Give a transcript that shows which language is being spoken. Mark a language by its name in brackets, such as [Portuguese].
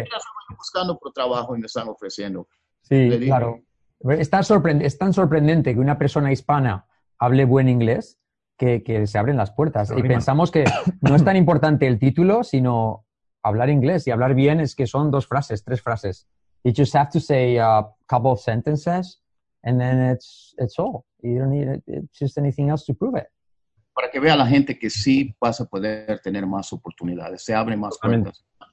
[Spanish] Estoy buscando por trabajo y me están ofreciendo. Sí, claro. Es tan sorprendente que una persona hispana hable buen inglés que se abren las puertas. Y pensamos que no es tan importante el título, sino hablar inglés. Y hablar bien es que son dos frases, tres frases. [English] You just have to say a couple of sentences and then it's all. You don't need just anything else to prove it. [Spanish] Para que vea la gente que sí vas a poder tener más oportunidades, se abren más puertas.